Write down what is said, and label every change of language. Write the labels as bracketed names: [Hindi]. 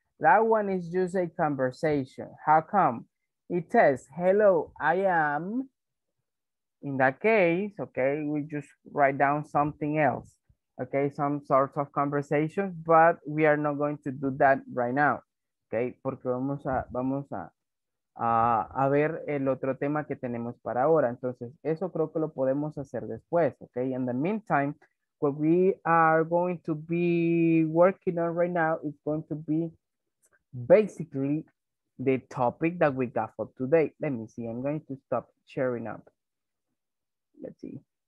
[English] That one is just a conversation. How come? It says, hello, I am. In that case, okay, we just write down something else. Okay, some sorts of conversation, but we are not going to do that right now. [Spanish] Okay, porque vamos a ver el otro tema que tenemos para ahora. Entonces, eso creo que lo podemos hacer después, okay? [English] In the meantime, what we are going to be working on right now is going to be basically the topic that we got for today. Let me see. I'm going to stop sharing up. Let's see.